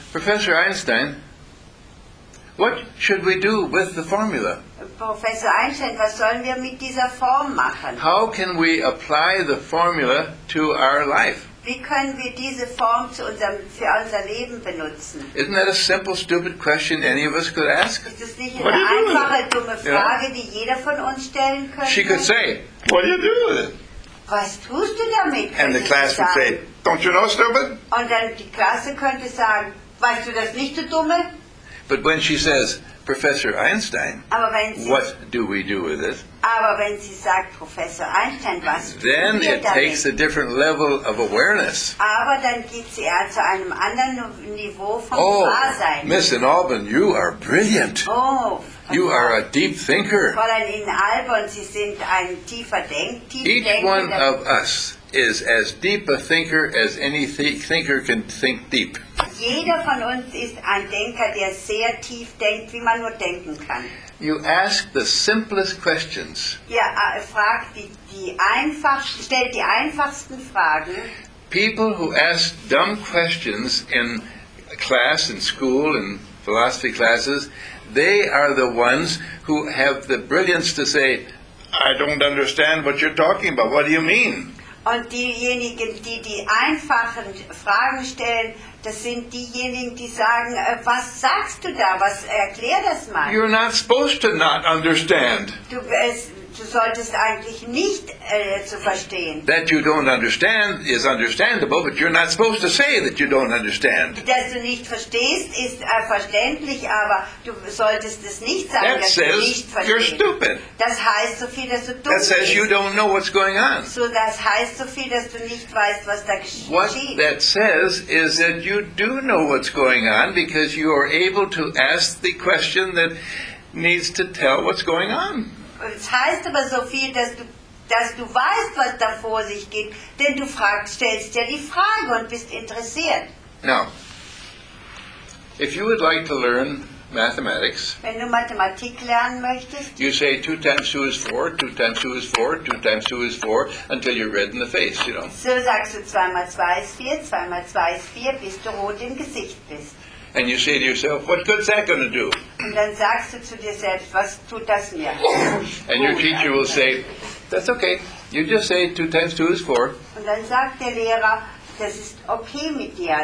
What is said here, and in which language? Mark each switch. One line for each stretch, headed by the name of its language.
English: Professor Einstein, what should we do with the formula?
German: Professor Einstein, was sollen wir mit dieser Form machen?
English: How can we apply the formula to our life?
German: Wie können wir diese Form zu unserem, für unser Leben benutzen?
English: Isn't that a simple, stupid question any of us could ask?
German: Ist das nicht eine einfache, dumme Frage, die jeder von uns stellen könnte?
English: She could say, what do you do with it?
German: Was tust du damit?
English: And the class would say, don't you know, stupid?
German: Und dann die Klasse könnte sagen, weißt du das nicht, du Dumme?
English: But when she says, Professor Einstein,
German: aber wenn sie,
English: what do we do with it?
German: Aber wenn sie sagt, Professor Einstein, was
English: then it
German: damit?
English: Takes a different level of awareness.
German: Aber dann geht sie ja zu einem anderen Niveau von Wahrsein.
English: Oh, Miss in Auburn, you are brilliant. Oh, you are a deep thinker.
German: Fräulein in Auburn, Sie sind ein tiefer Denker.
English: Each one of us is as deep a thinker as any thinker can think deep.
German: Jeder von uns ist ein Denker, der sehr tief denkt, wie man nur denken kann.
English: You ask the simplest questions.
German: Ja, fragt die einfachsten, stellt die einfachsten Fragen.
English: People who ask dumb questions in class, in school, in philosophy classes, they are the ones who have the brilliance to say, I don't understand what you're talking about. What do you mean?
German: Und diejenigen, die die einfachen Fragen stellen, das sind diejenigen, die sagen, was sagst du da? Was erklär das mal?
English: You're not supposed to not understand.
German: Du solltest eigentlich nicht zu verstehen.
English: That you don't understand is understandable, but you're not supposed to say that you don't understand.
German: Dass du nicht verstehst, ist verständlich, aber du solltest es nicht sagen,
English: that
German: dass
English: says
German: du nicht verstehst.
English: You're stupid.
German: Das heißt so viel, dass du dumm bist.
English: That says you don't know what's going on.
German: So das heißt so viel, dass du nicht weißt, was da geschieht.
English: What that says is that you do know what's going on because you are able to ask the question that needs to tell what's going on.
German: Es heißt aber so viel, dass du weißt, was da vor sich geht, denn du stellst ja die Frage und bist interessiert.
English: Now, if you would like to learn mathematics,
German: wenn du Mathematik lernen möchtest,
English: you say 2 times 2 is 4, 2 times 2 is 4, 2 times 2 is 4, until you're red in the face, you know.
German: So sagst du 2 mal 2 ist 4, 2 mal 2 ist 4, bis du rot im Gesicht bist.
English: And you say to yourself, what good's that going to do?
German: Und dann sagst du zu dir selbst, was tut das mir?
English: And your teacher will say, that's okay. You just say 2 times 2 is 4.
German: Und dann sagt der Lehrer, das ist okay mit dir.